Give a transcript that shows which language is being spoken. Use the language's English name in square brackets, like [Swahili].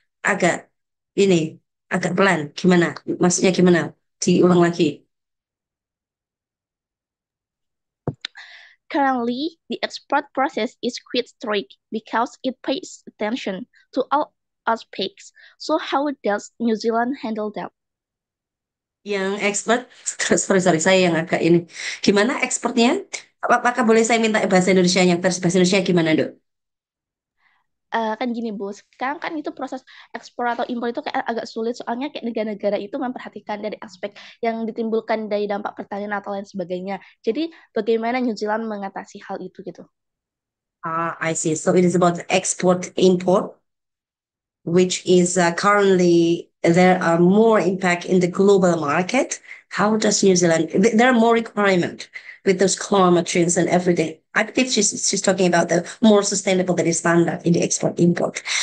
[Indonesian] Agak pelan. Gimana? Maksudnya gimana? Diulang lagi. [English] Currently, the export process is quite strict because it pays attention to all aspects. So how does New Zealand handle that? [Indonesian] Yang ekspor, sorry, saya yang agak ini. Gimana ekspornya? Apakah boleh saya minta bahasa Indonesia yang versi bahasa Indonesia gimana, Dok? Kan gini, Bu. Sekarang kan itu proses ekspor atau impor itu kayak agak sulit, soalnya kayak negara-negara itu memperhatikan dari aspek yang ditimbulkan dari dampak pertanian atau lain sebagainya. Jadi, bagaimana New Zealand mengatasi hal itu, gitu? [English] I see. So, it is about export-import, which is currently... There are more impact in the global market. How does New Zealand, there are more requirement with those climate change and everything. I think she's talking about the more sustainable that is standard in the export import.